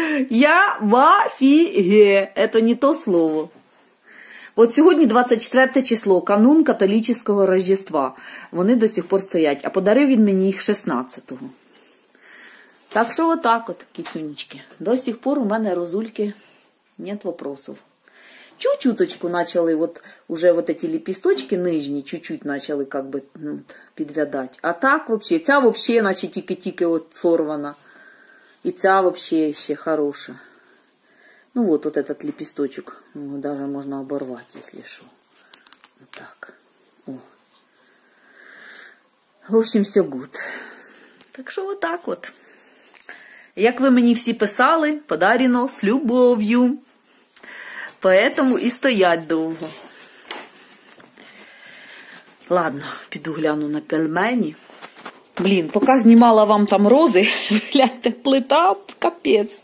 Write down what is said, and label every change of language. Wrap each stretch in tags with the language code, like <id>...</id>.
<ru>Я в офігі. Это не то слово.</ru> <uk>От сьогодні 24 число, канун католіцького Рождества. Вони до сих пор стоять. А подарив він мені їх 16-го. Так що отак от, кіцюнічки. До сих пор у мене розульки...</uk> <ru>Нет вопросов. Чуть-чуточку начали, вот уже вот эти лепесточки нижние, чуть-чуть начали как бы ну, подвядать. А так вообще, ця вообще, значит, тики-тики вот сорвана. И ця вообще еще хороша. Ну вот, вот этот лепесточек, ну, даже можно оборвать, если что. Вот так. О. В общем, все good. Так что вот так вот.</ru> <uk>Як ви мені всі писали, подарено з любов'ю. Поэтому і стоять довго. Ладно, піду гляну на пельмені. Блін, поки знімала вам там рози, гляньте, плита, капець.</uk>